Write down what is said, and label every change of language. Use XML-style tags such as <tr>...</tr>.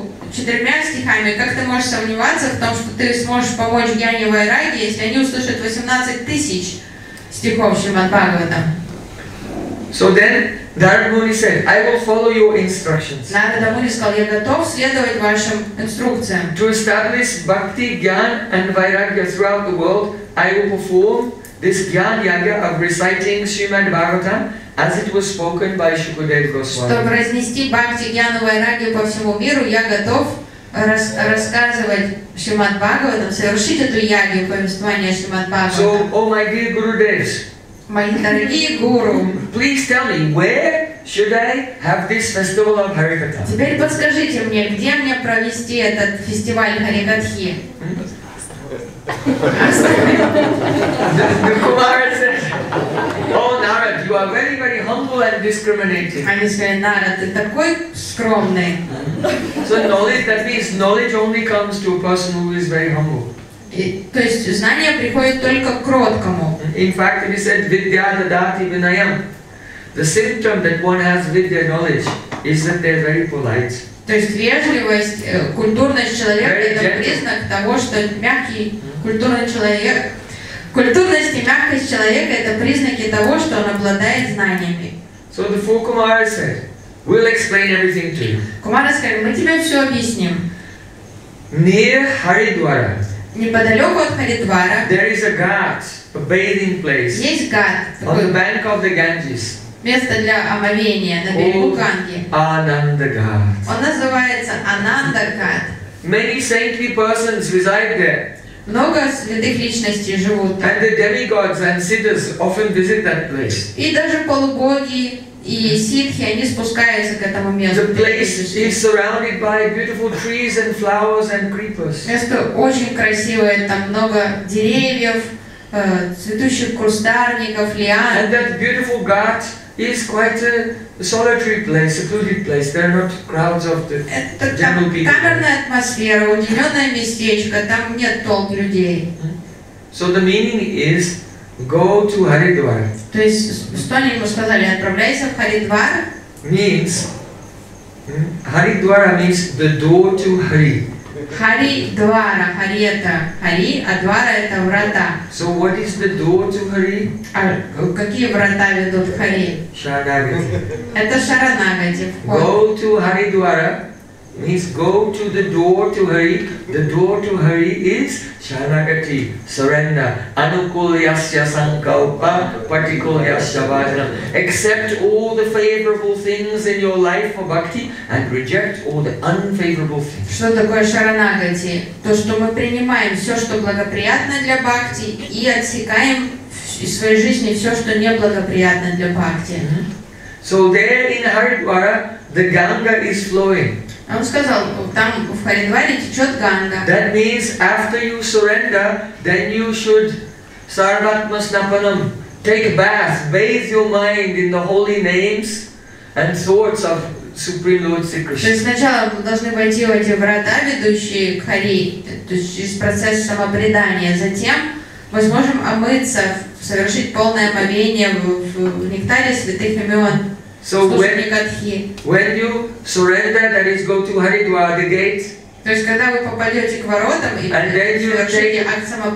<ru>Четырьмя стихами, как ты можешь сомневаться в том, что ты сможешь помочь Гьяне Вайраге, если они услышат 18 тысяч стихов Шримад Бхагаватам?</ru> <en>So then, Дарбхуни said, I will follow your instructions.</en> <ru>Нарадамуни сказал, я готов следовать вашим инструкциям.</ru> <en>To establish Bhakti, Gyan and Vairagya throughout the world, I will perform this Gyan Yaga of reciting Shrimad Bhagavatam, as it was spoken by Shukadev Goswami.</en> <ru>Чтобы разнести бхакти гьяну вайрагью по всему миру, я готов рассказывать Шримад Бхагаватам, совершить эту ягью повествование Шримад Бхагаватам.</ru> <en>So, oh my dear Guru Devs,</en> <ru>мои дорогие гуру,</ru> <en>please tell me, where should I have this festival of Харикатха?</en> <ru>Теперь подскажите мне, где мне провести этот фестиваль Харикатхи?</ru> <en>The Kumara says, oh Narad, you are very, very humble and discriminating.</en> <ru>Они сказали, Нарад, ты такой скромный.</ru> <en>So knowledge, that means knowledge only comes to a person who is very humble.</en> <ru>То есть знание приходит только к кроткому.</ru> <en>In fact, he said,</en> <sa>vidya dadati vinayam.</sa> <en>The symptom that one has vidya knowledge is that they are very polite.</en> <ru>То есть вежливость, культурность человека — это признак того, что мягкий культурный человек, культурность и мягкость человека — это признаки того, что он обладает знаниями.</ru> <en>So the four Kumaras said, we'll explain everything to you.</en> <ru>Кумара сказали, мы тебе все объясним.</ru> <en>Near Haridwara.</en> <ru>Неподалеку от Харидвара.</ru> <en>There is a ghat, a bathing place.</en> <ru>Есть ghat.</ru> <en>On the bank of the Ganges.</en> <ru>Место для омовения на берегу Ганги. Анандагат. Он называется Анандагат.</ru> <en>Many saintly persons reside there.</en> <ru>Много святых личностей живут там.</ru> <en>And the demigods and siddhas often visit that place.</en> <ru>И даже полубоги и ситхи, они спускаются к этому месту.</ru> <en>The place is surrounded by beautiful trees and flowers and creepers.</en> <ru>Место очень красивое, там много деревьев, цветущих кустарников, лиан.</ru> <en>And that beautiful ghat is quite a solitary place, secluded place. There are not crowds of the general people.</en> <ru>Камерная атмосфера, уединенное местечко, там нет толп людей.</ru> <en>So the meaning is, go to Haridwar.</en> <ru>То есть, что они ему сказали, отправляйся в Харидвар?</ru> <en>Means, Haridwara means the door to Hari.</en> <ru>Hari Dwara. Hari — это Hari, а Dwara — это врата.</ru> <en>So what is the door to Hari?</en> <ru>Какие врата ведут в Hari? Шаранагати. Это Шаранагати.</ru> <en>Go to Hari Dwara means go to the door to Hari. The door to Hari is Шаранагати, surrender.</en> <sa>Anukulyasya sankalpa patikulyasya vajanam.</sa> <en>Accept all the favorable things in your life for bhakti and reject all the unfavorable things.</en> <ru>Что такое Шаранагати? То, что мы принимаем все, что благоприятно для бхакти, и отсекаем из своей жизни все, что неблагоприятно для бхакти.</ru> <en>So there in Haridwara, the Ganga is flowing.</en> <ru>Он сказал, там в Харидваре течет Ганга.</ru> <en>That means after you surrender, then you should</en> <sa>sarvatma snapanam,</sa> <en>take a bath, bathe your mind in the holy names and thoughts of Supreme Lord Sri Krishna.</en> <ru>То есть сначала вы должны войти в эти врата, ведущие к Хари, то есть через процесс самопредания. Затем мы сможем омыться, совершить полное омовение в нектаре святых имен.</ru> <en>So when you surrender, that is, go to Haridwar, the gate.</en> <ru>То есть когда вы попадете к воротам и совершите акт</ru>